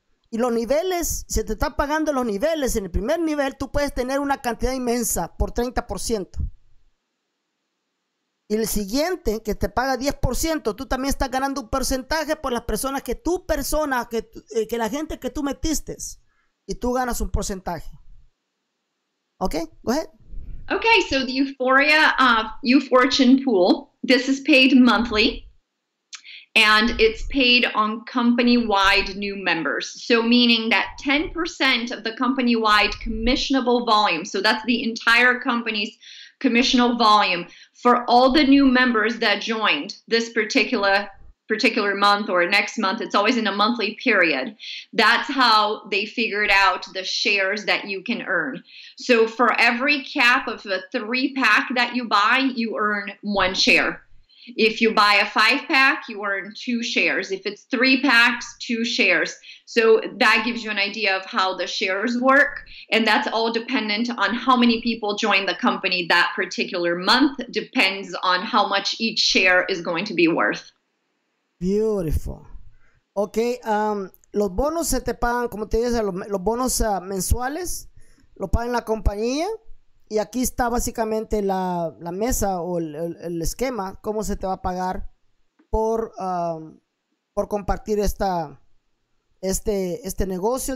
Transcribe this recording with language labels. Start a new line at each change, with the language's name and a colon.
Spanish: Y los niveles, si te están pagando los niveles, en el primer nivel tú puedes tener una cantidad inmensa por 30%. Y el siguiente, que te paga 10%, tú también estás ganando un porcentaje por las personas que tu persona, que la gente que tú metiste, y tú ganas un porcentaje.
English: Okay, go ahead. Okay, so the Uforia UFortune pool, this is paid monthly and it's paid on company-wide new members. So meaning that 10% of the company-wide commissionable volume, so that's the entire company's commissionable volume for all the new members that joined this particular month or next month, it's always in a monthly period. That's how they figured out the shares that you can earn. So for every cap of a three pack that you buy, you earn one share. If you buy a five pack, you earn two shares. If it's three packs, two shares. So that gives you an idea of how the shares work. And that's all dependent on how many people join the company that particular month, depends on how much each share is going to be worth. Beautiful. Okay.
Spanish: Los bonos se te pagan, como te dije, los bonos mensuales, lo pagan la compañía. Y aquí está básicamente la mesa o el esquema, cómo se te va a pagar por compartir este negocio.